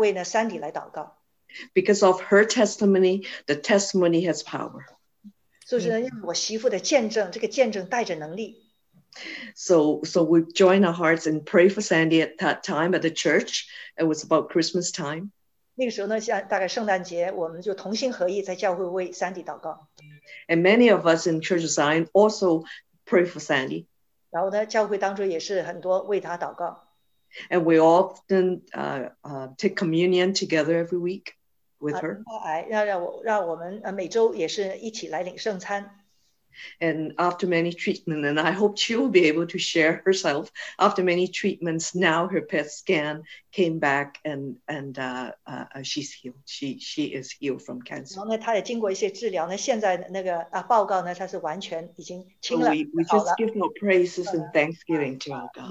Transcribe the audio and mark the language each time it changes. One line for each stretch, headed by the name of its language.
Chinese: 所以呢，我跟媳妇呢，同心呢为呢Sandy来祷告。 Because
English: of her testimony, the testimony has power.
Chinese: 就是呢，因为我媳妇的见证，这个见证带着能力。
English: So we joined our hearts and prayed for Sandy at that time at the church. It was about Christmas time.
Chinese: 那个时候呢，像大概圣诞节，我们就同心合意在教会为Sandy祷告。
English: And many of us in Church of Zion also pray for Sandy.
Chinese: 然后呢，教会当中也是很多为他祷告。
English: And we often take communion together every week with her.
Chinese: 让我们每周也是一起来领圣餐。
English: And after many treatments, and I hope she will be able to share herself, after many treatments, now her PET scan came back and she is healed from cancer. So we just give more praises and thanksgiving to our God.